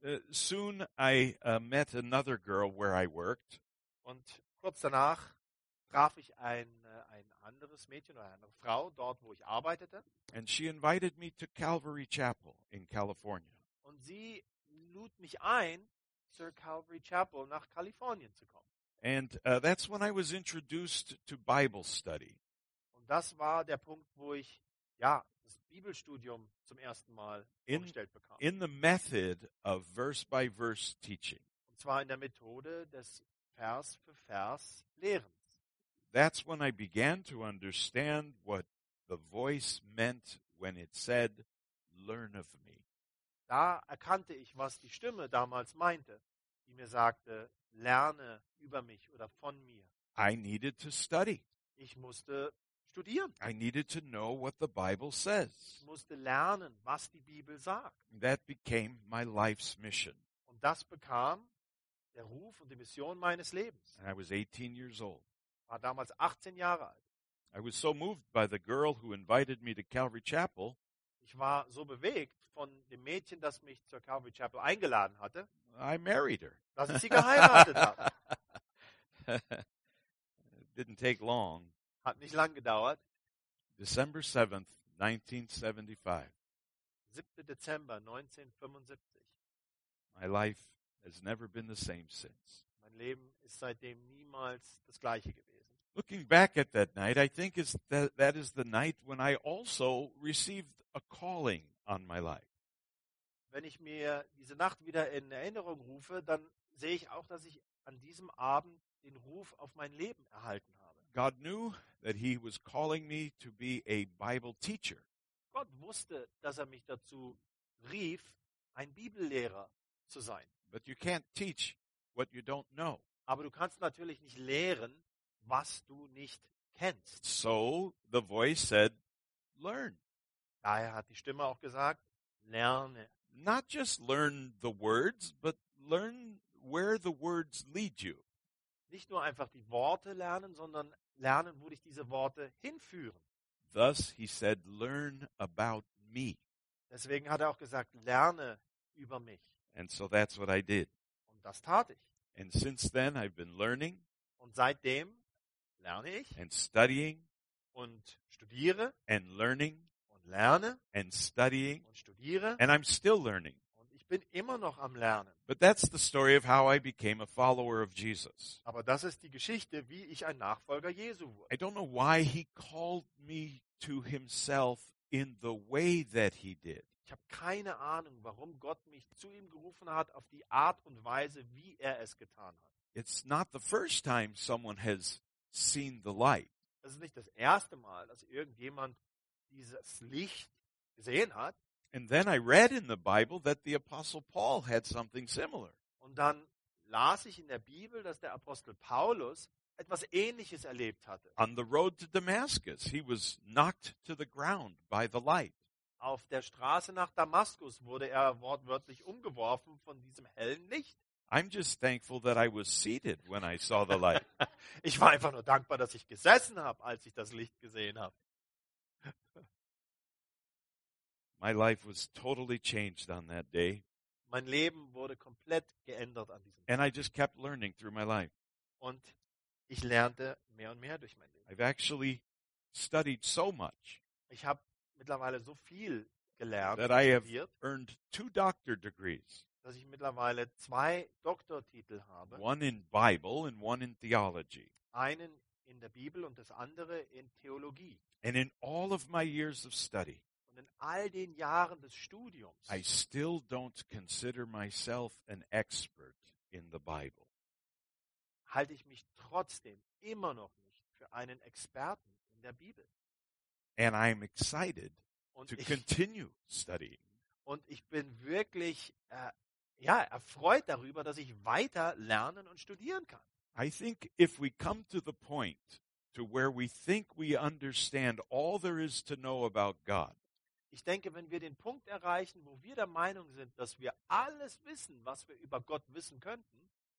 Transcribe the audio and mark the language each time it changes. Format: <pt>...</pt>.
<en>Soon I met another girl where I worked.</en> <de>Und kurz danach traf ich ein anderes Mädchen oder eine Frau dort, wo ich arbeitete.</de> <en>And she invited me to Calvary Chapel in California.</en> <de>Und sie lud mich ein, zur Calvary Chapel nach Kalifornien zu kommen.</de> <en>And that's when I was introduced to Bible study.</en> <de>Und das war der Punkt, wo ich ja das Bibelstudium zum ersten Mal vorgestellt bekam.</de> <en>In the method of verse by verse teaching.</en> <de>Und zwar in der Methode des Vers für Vers Lehrens.</de> <en>That's when I began to understand what the voice meant when it said, "Learn of me."</en> <de>Da erkannte ich, was die Stimme damals meinte, die mir sagte, lerne über mich oder von mir.</de> <en>I needed to study.</en> <de>Ich musste studieren.</de> <en>I needed to know what the Bible says.</en> <de>Ich musste lernen, was die Bibel sagt.</de> <en>That became my life's mission.</en> <de>Und das bekam der Ruf und die Mission meines Lebens.</de> <en>And I was 18 years old.</en> <de>War damals 18 Jahre alt.</de> <en>I was so moved by the girl who invited me to Calvary Chapel.</en> <de>Ich war so bewegt von dem Mädchen, das mich zur Calvary Chapel eingeladen hatte.</de> <en>I married her.</en> <de>Dass ich sie geheiratet habe.</de> <en>Didn't take long.</en> <de>Hat nicht lang gedauert.</de> <en>December 7th, 1975.</en> <de>7. Dezember 1975.</de> <en>My life has never been the same since.</en> <de>Mein Leben ist seitdem niemals das gleiche gewesen.</de> <en>Looking back at that night, I think that is the night when I also received a calling on my life.</en> <de>Wenn ich mir diese Nacht wieder in Erinnerung rufe, dann sehe ich auch, dass ich an diesem Abend den Ruf auf mein Leben erhalten habe.</de> <en>God knew that he was calling me to be a Bible teacher.</en> <de>Gott wusste, dass er mich dazu rief, ein Bibellehrer zu sein.</de> <en>But you can't teach what you don't know.</en> <de>Aber du kannst natürlich nicht lehren, was du nicht kennst.</de> <en>So the voice said, learn.</en> <de>Daher hat die Stimme auch gesagt, lerne.</de> <en>Not just learn the words, but learn where the words lead you.</en> <de>Nicht nur einfach die Worte lernen, sondern lernen, wo dich diese Worte hinführen.</de> <en>Thus he said, learn about me.</en> <de>Deswegen hat er auch gesagt, lerne über mich.</de> <en>And so that's what I did.</en> <de>Und das tat ich.</de> <en>And since then I've been learning.</en> <de>Und seitdem lerne ich.</de> <en>And studying.</en> <de>Und studiere.</de> <en>And learning.</en> <de>Und lerne.</de> <en>And studying.</en> <de>Und studiere.</de> <en>And I'm still learning.</en> <de>Und ich bin immer noch am Lernen.</de> <en>But that's the story of how I became a follower of Jesus.</en> <de>Aber das ist die Geschichte, wie ich ein Nachfolger Jesu wurde.</de> <en>I don't know why he called me to himself in the way that he did.</en> <de>Ich habe keine Ahnung, warum Gott mich zu ihm gerufen hat, auf die Art und Weise, wie er es getan hat.</de> <en>It's not the first time someone has seen the light.</en> <de>Es ist nicht das erste Mal, dass irgendjemand dieses Licht gesehen hat.</de> <en>And then I read in the Bible that the Apostle Paul had something similar.</en> <de>Und dann las ich in der Bibel, dass der Apostel Paulus etwas Ähnliches erlebt hatte.</de> <en>On the road to Damascus, he was knocked to the ground by the light.</en> <de>Auf der Straße nach Damaskus wurde er wortwörtlich umgeworfen von diesem hellen Licht.</de> <en>I'm just thankful that I was seated when I saw the light.</en> <de>Ich war einfach nur dankbar, dass ich gesessen habe, als ich das Licht gesehen habe.</de> <en>My life was totally changed on that day.</en> <de>Mein Leben wurde komplett geändert an diesem Tag.</de> <en>And I just kept learning through my life.</en> <de>Und ich lernte mehr und mehr durch mein Leben.</de> <en>I've actually studied so much.</en> <de>Ich habe mittlerweile so viel gelernt,</de> <en>that I have earned two doctor degrees.</en> <de>Dass ich mittlerweile zwei Doktortitel habe.</de> <en>One in Bible and one in theology.</en> <de>Einen in der Bibel und das andere in Theologie.</de> <en>And in all of my years of study,</en> <de>und in all den Jahren des Studiums,</de> <en>I still don't consider myself an expert in the Bible.</en> <de>Halte ich mich trotzdem immer noch nicht für einen Experten in der Bibel.</de> <en>And I'm excited to continue studying.</en> <de>Und ich bin wirklich erfreut darüber, dass ich weiter lernen und studieren kann.</de> <en>I think if we come to the point to where we think we understand all there is to know about God.</en> <de>Ich denke, wenn wir den Punkt erreichen, wo wir der Meinung sind, dass wir alles wissen, was wir über Gott wissen könnten,</de>